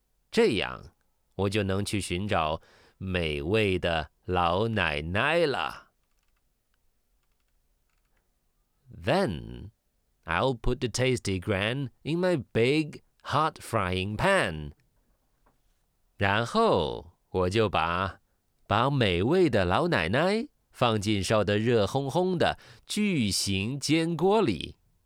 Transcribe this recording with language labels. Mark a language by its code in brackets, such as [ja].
[zh] 这样我就能去寻找美味的老奶奶了。 [en] Then I'll put the tasty gran in my big hot frying pan. [zh] 然后我就把美味的老奶奶放进烧得热烘烘的巨型煎锅里。